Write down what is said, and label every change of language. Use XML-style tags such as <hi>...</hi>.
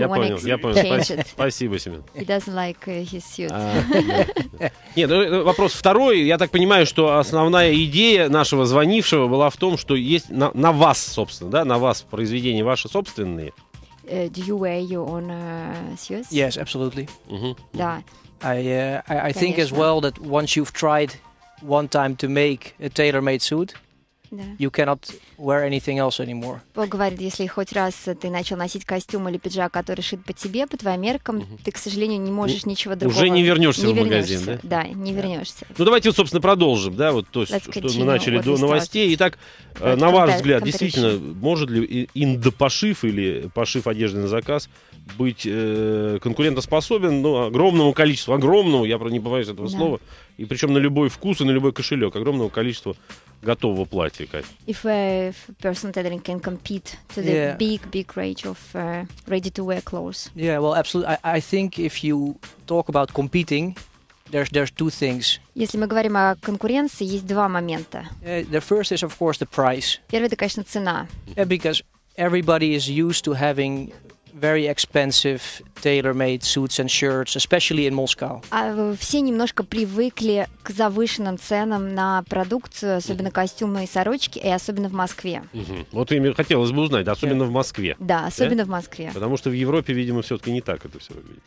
<ru>Я понял. Спасибо, Семен.</ru> <en>He doesn't like his suit.</en> <ru>Нет, вопрос второй. Я так понимаю, что основная идея нашего звонившего была в том, что есть на вас, собственно, да, на вас произведения ваши собственные.</ru> <en>Do you wear your own suits? Yes, absolutely.</en> <ru>Да.</ru> <en>I think as well that once you've tried one time to make a tailor-made suit, you cannot wear anything else anymore.</en> <ru>Пол говорит, если хоть раз ты начал носить костюм или пиджак, который шит по тебе, по твоим меркам, ты, к сожалению, не можешь ничего другого... Уже не вернешься в магазин, да? Да, не вернешься. Ну, давайте, собственно, продолжим, да, вот то, что мы начали до новостей. Итак, на ваш взгляд, действительно, может ли индопошив или пошив одежды на заказ быть конкурентоспособен, ну, огромному количеству, я не боюсь этого слова, и причем на любой вкус и на любой кошелек, огромного количества готового платья, Кать.</ru> <en>If personal tailoring can compete to the big range of ready-to-wear clothes. Yeah, well, absolutely. I think if you talk about competing, there's two things.</en> <ru>Если мы говорим о конкуренции, есть два момента.</ru> <en>The first is, of course, the price.</en> <ru>Первый, это, конечно, цена.</ru> <en>Yeah, because everybody is used to having very expensive tailor-made suits and shirts, especially in Moscow.</en> <ru>Все немножко привыкли к завышенным ценам на продукцию, особенно костюмы и сорочки, и особенно в Москве. Вот им хотелось бы узнать, особенно в Москве. Да, особенно в Москве. Потому что в Европе, видимо, все-таки не так это все выглядит.</ru>